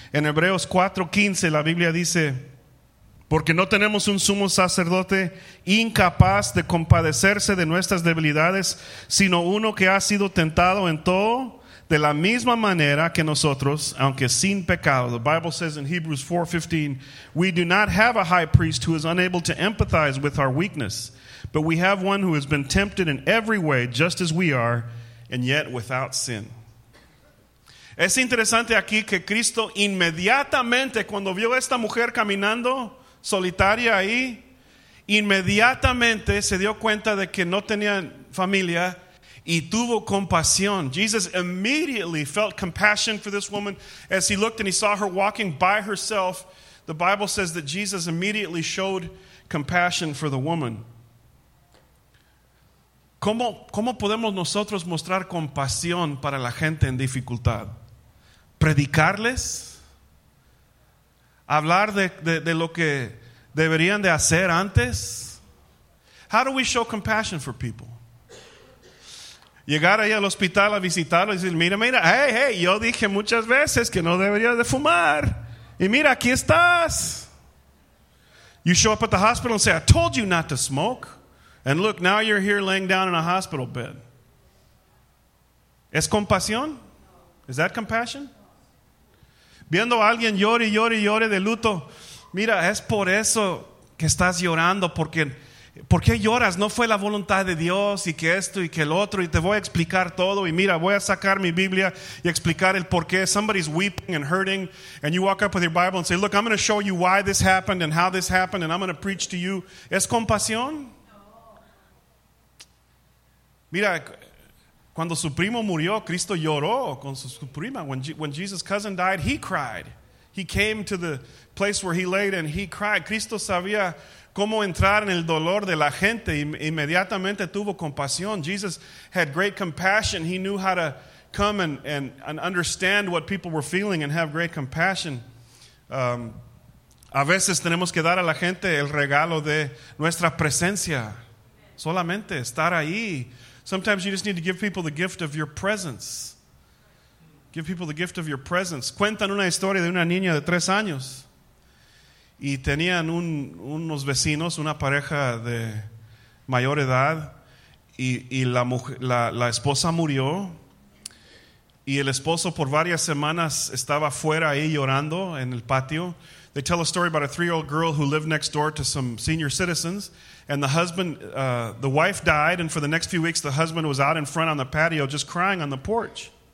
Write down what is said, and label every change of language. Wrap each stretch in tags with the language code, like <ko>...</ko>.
<es>En Hebreos 4:15 la Biblia dice, porque no tenemos un sumo sacerdote incapaz de compadecerse de nuestras debilidades, sino uno que ha sido tentado en todo de la misma manera que nosotros, aunque sin pecado.</es> <en>The Bible says in Hebrews 4:15, we do not have a high priest who is unable to empathize with our weakness, but we have one who has been tempted in every way just as we are, and yet without sin.</en> <es>Es interesante aquí que Cristo inmediatamente, cuando vio a esta mujer caminando solitaria ahí, inmediatamente se dio cuenta de que no tenía familia y tuvo compasión.</es> <en>Jesus immediately felt compassion for this woman as he looked and he saw her walking by herself. The Bible says that Jesus immediately showed compassion for the woman.</en> <es>¿Cómo podemos nosotros mostrar compasión para la gente en dificultad? Predicarles, hablar de lo que deberían de hacer antes.</es> <en>How do we show compassion for people?</en> <es>Llegar ahí al hospital a visitarlo y decir, mira, mira, hey, hey, yo dije muchas veces que no deberías de fumar. Y mira, aquí estás.</es> <en>You show up at the hospital and say, I told you not to smoke. And look, now you're here laying down in a hospital bed.</en> <es>¿Es compasión?</es> <en>Is that compassion?</en> <es>Viendo a alguien llore, llore, llore de luto. Mira, es por eso que estás llorando. ¿Por qué lloras? No fue la voluntad de Dios y que esto y que el otro. Y te voy a explicar todo. Y mira, voy a sacar mi Biblia y explicar el por qué.</es> <en>Somebody's weeping and hurting. And you walk up with your Bible and say, look, I'm going to show you why this happened and how this happened. And I'm going to preach to you.</en> <es>¿Es compasión? Mira, cuando su primo murió, Cristo lloró con su prima.</es> <en>When Jesus' cousin died, he cried. He came to the place where he laid and he cried.</en> <es>Cristo sabía cómo entrar en el dolor de la gente. Inmediatamente tuvo compasión.</es> <en>Jesus had great compassion. He knew how to come and understand what people were feeling and have great compassion.</en> <es>A veces tenemos que dar a la gente el regalo de nuestra presencia. Solamente estar ahí.</es> <en>Sometimes you just need to give people the gift of your presence. Give people the gift of your presence.</en> <es>Cuentan una historia de una niña de 3 años. Y tenían unos vecinos, una pareja de mayor edad. Y la esposa murió. Y el esposo por varias semanas estaba fuera ahí llorando en el patio.</es> <en>They tell a story about a 3-year-old girl who lived next door to some senior citizens. And the husband, the wife died. And for the next few weeks, the husband was out in front on the patio just crying on the porch.</en>